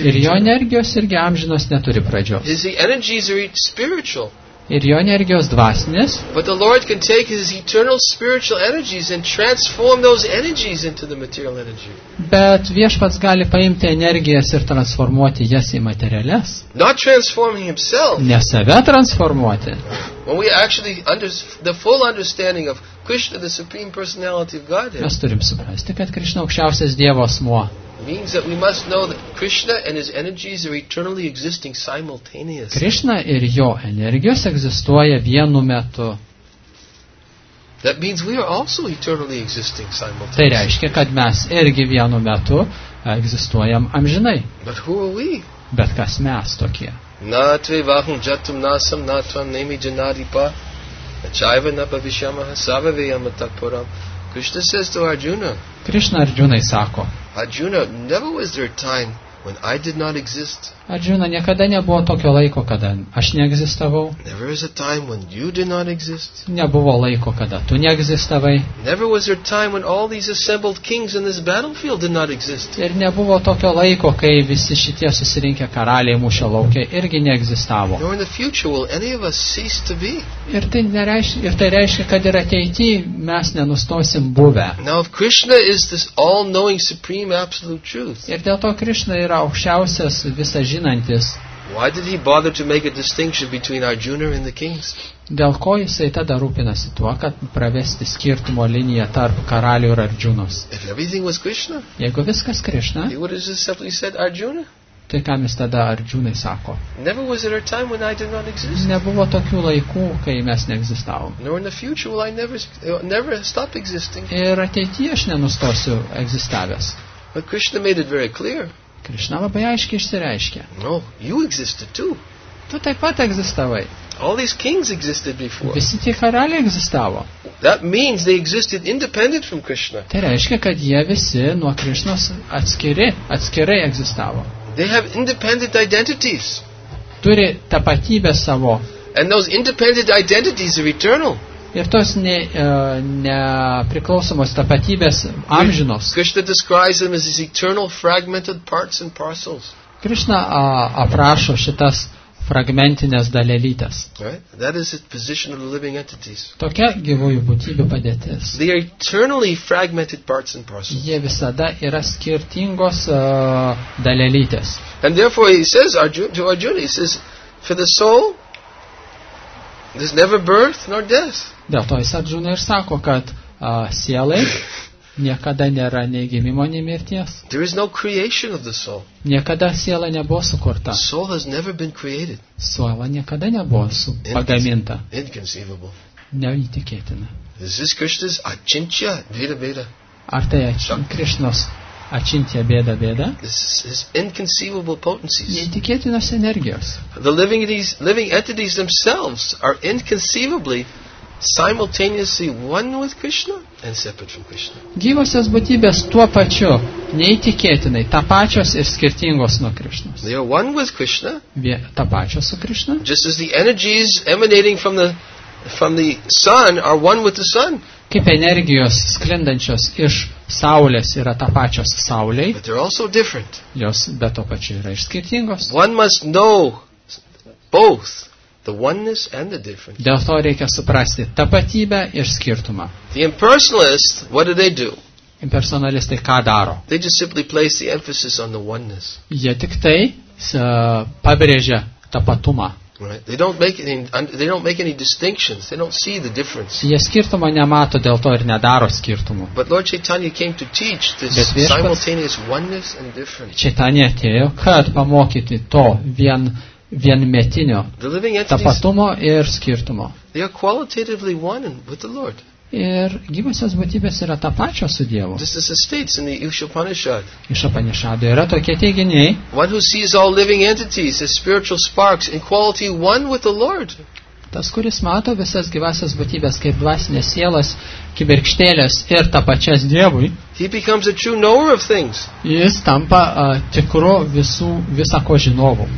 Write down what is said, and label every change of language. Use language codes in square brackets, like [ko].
[lt] ir jo energijos irgi amžinos neturi pradžios. [en] His energies are spiritual. [lt] Ir jo energijos dvasinės. [en] But the Lord can take his eternal spiritual energies and transform those energies into the material energy. [lt] Bet viešpats gali paimti energijas ir transformuoti jas į materialias. [en] Not transforming himself. [lt] Ne save transformuoti. [en] When we actually the full understanding of Krishna, the supreme personality of Godhead. [lt] Mes turim suprasti, kad Krishna aukščiausias Dievo asmuo. [en] Means that we must know that Krishna and his energies are eternally existing simultaneously. [lt] Krishna ir jo energijos egzistuoja vienu metu. [en] That means we are also eternally existing simultaneously. [lt] Tai reiškia, kad mes irgi vienu metu egzistuojam amžinai. [en] But who are we? [lt] Bet kas mes tokie? [sa] Na tve vahum jatum nasam na tvam nemi janadipa achaiva na pavishyamaha savaveyama takpuram. [en] Krishna says to Arjuna. [lt] Krishna Arjunai sako. [en] Arjuna, never was there a time when I did not exist. [lt] Arjuna, niekada nebuvo tokio laiko, kada aš neegzistavau. [en] Never was a time when you did not exist. [lt] Nebuvo laiko, kada tu neegzistavai. [en] Never was there a time when all these assembled kings in this battlefield did not exist. [lt] Ir nebuvo tokio laiko, kai visi šitie susirinkę karaliai mūšio laukė irgi neegzistavo. [en] Nor in the future will any of us cease to be. [lt] Ir tai reiškia, kad ir ateity mes nenustosim buvę. [en] Now if Krishna is this all-knowing supreme absolute truth. [lt] Ir dėl to Krishna yra aukščiausias visa žinantis. [en] Why did he bother to make a distinction between Arjuna and the kings? [lt] Dėl ko jisai tada rūpinasi tuo, kad pravesti skirtumo liniją tarp karalių ir Arjunos? [en] If everything was Krishna, [lt] jeigu viskas Krishna, [en] he would have just simply said Arjuna. [lt] Tai kam jis tada Arjunai sako? [en] Never was there a time when I did not exist. [lt] Nebuvo tokių laikų, kai mes neegzistavom. [en] Nor in the future will I never stop existing. [lt] Ir ateityje aš nenustosiu egzistavęs. [en] But Krishna made it very clear. [lt] Krishna labai aiškiai išsireiškia. [en] No, you existed too. [lt] Tu taip pat egzistavai. [en] All these kings existed before. [lt] Visi tie karaliai egzistavo. [en] That means they existed independent from Krishna. [lt] Tai reiškia, kad jie visi nuo Krishnos atskirai egzistavo. [en] They have independent identities. [lt] Turi tapatybę savo. [en] And those independent identities are eternal. [lt] Ir tos nepriklausomos tapatybės amžinos. [en] Krishna describes them as these eternal fragmented parts and parcels. [lt] Krishna aprašo šitas fragmentinės dalelytės. [en] Right? That is the position of the living entities. [lt] Tokia gyvųjų būtybių padėtis. [en] They are eternally fragmented parts and parcels. [lt] Jie visada yra skirtingos dalelytės. [en] And therefore he says to Arjuna, he says, for the soul there's never birth nor death. [lt] Dėl to jis Arjuna ir sako, kad sielai niekada nėra nei gimimo, nei mirties. [en] There is no creation of the soul. [lt] Niekada siela nebuvo sukurta. [en] Soul has never been created. [lt] Siela niekada nebuvo pagaminta. [en] Inconceivable. [lt] Neįtikėtina. [en] Is this Krishna's achintya, bheda, bheda? [lt] Ar tai Krishna's achintya, bheda, bheda? [en] This is inconceivable potencies. [lt] Neįtikėtinos energijos. [en] The living entities themselves are inconceivably simultaneously one with Krishna and separate from Krishna. [lt] Gyvosios būtybės tuo pačiu, neįtikėtinai, tą pačios ir skirtingos nuo Krishnos. [en] They are one with Krishna. [lt] Tą pačios su Krishna. [en] Just as the energies emanating from the sun are one with the sun. [lt] Kaip energijos sklindančios iš saulės yra tą pačios saulei. [en] But they're also different. [lt] Jos bet tuo pačiu yra ir skirtingos. [en] One must know both the oneness and the difference. [lt] Dėl to reikia suprasti tapatybę ir skirtumą. [en] The impersonalists, what do they do? [lt] Impersonalistai ką daro? [en] They just simply place the emphasis on the oneness. [lt] Jie tik tai pabrėžia tapatumą. [en] Right. They don't make any distinctions. They don't see the difference. [lt] Jie skirtumą nemato, dėl to ir nedaro skirtumų. [en] But Lord Chaitanya came to teach this simultaneous oneness and difference. [lt] Chaitanya atėjo, kad pamokyti to vienmetinio tapatumo ir skirtumo. [en] They are qualitatively one with the Lord. [lt] Ir gyvosios būtybės yra ta pačios su Dievu. [en] This is the states in the Upanishad. [lt] Iš Upanishadų yra tokie teiginiai. [en] One who sees all living entities as spiritual sparks in quality one with the Lord. [lt] Tas, kuris mato visas gyvasias būtybės kaip dvasinės sielos, kibirkštėlės ir tą pačias Dievui, [en] he becomes a true knower of things. [lt] Jis tampa tikru visako žinovu.